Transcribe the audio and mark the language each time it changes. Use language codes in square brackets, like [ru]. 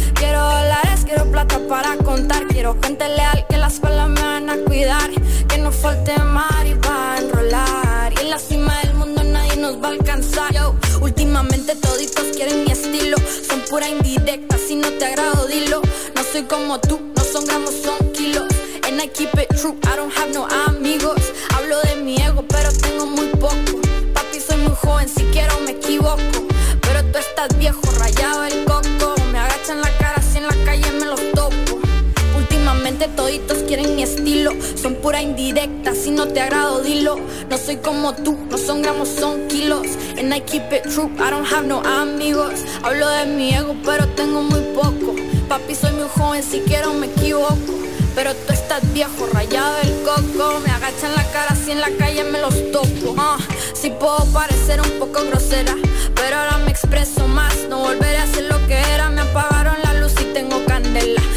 [es] Quiero dólares, quiero plata para contar. Quiero gente leal, que las palas me van a cuidar. Que no falte mar y va a enrolar. Y en la cima del mundo nadie nos va a alcanzar. Yo, últimamente toditos quieren mi estilo. Son pura indirecta, si no te agrado dilo. No soy como tú, no son gramos, son kilos. [en] And I keep it true, I don't have no amigos. [es] Hablo de mi ego, pero tengo muy poco. Papi, soy muy joven, si quiero me equivoco. Pero tú estás viejo, rayado el coco. Me agachan la cara, si en la calle me los topo. Últimamente toditos quieren mi estilo. Son pura indirecta, si no te agrado dilo. No soy como tú, no son gramos, son kilos. [en] And I keep it true, I don't have no amigos. [es] Hablo de mi ego, pero tengo muy poco. Papi, soy muy joven, si quiero me equivoco. Pero tú estás viejo, rayado el coco. Me agachan la cara, si en la calle me los topo. Si puedo parecer un poco grosera, pero ahora me expreso más. No volveré a ser lo que era. Me apagaron la luz y tengo candela.